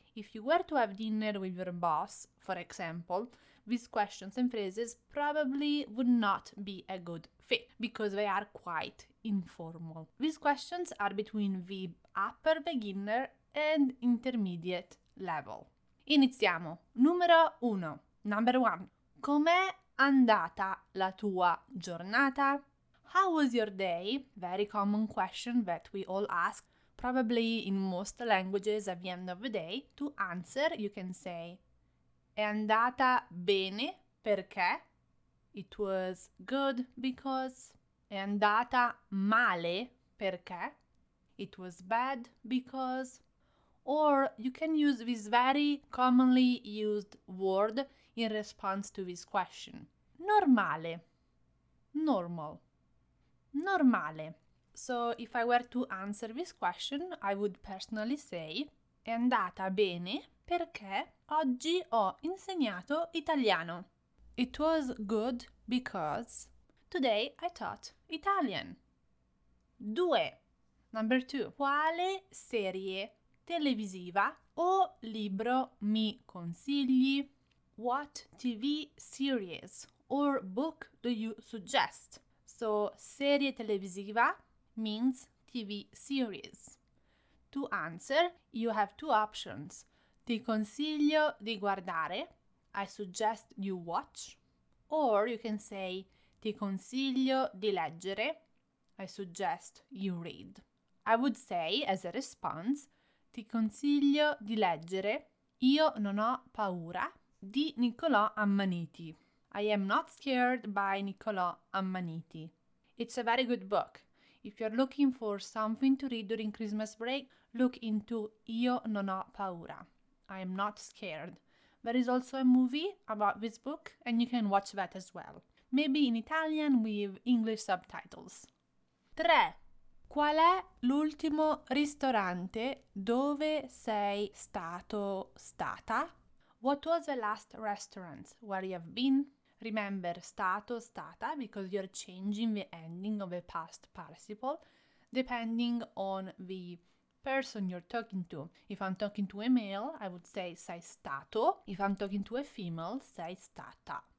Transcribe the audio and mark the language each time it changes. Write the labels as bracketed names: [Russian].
[English] If you were to have dinner with your boss, for example, these questions and phrases probably would not be a good fit because they are quite informal. These questions are between the upper beginner and intermediate level. [Italian] Iniziamo! [English] Number one. [Italian] Com'è andata la tua giornata? [English] How was your day? Very common question that we all ask, probably in most languages at the end of the day. To answer, you can say, [Italian] è andata bene perché? [English] It was good because. [Italian] È andata male perché? [English] It was bad because. Or you can use this very commonly used word in response to this question. [Italian] Normale. [English] Normal. [Italian] Normale. [English] So if I were to answer this question, I would personally say, [Italian] è andata bene perché oggi ho insegnato italiano. [English] It was good because today I taught Italian. 2. Number 2. [Italian] Quale serie televisiva o libro mi consigli? [English] What TV series or book do you suggest? So, [Italian] serie televisiva [English] means TV series. To answer, you have two options. [Italian] Ti consiglio di guardare, [English] I suggest you watch. Or you can say, [Italian] ti consiglio di leggere, [English] I suggest you read. I would say, as a response, [Italian] ti consiglio di leggere, io non ho paura, di Niccolò Ammaniti. [English] I am not scared by Niccolò Ammaniti. It's a very good book. If you're looking for something to read during Christmas break, look into [Italian] Io non ho paura. [English] I am not scared. There is also a movie about this book and you can watch that as well. Maybe in Italian with English subtitles. 3. [Italian] Qual è l'ultimo ristorante dove sei stato stata? [English] What was the last restaurant where you have been? Remember, stato, stata, because you're changing the ending of a past participle, depending on the person you're talking to. If I'm talking to a male, I would say [Italian] sei stato. [English] If I'm talking to a female, [Italian] sei stata.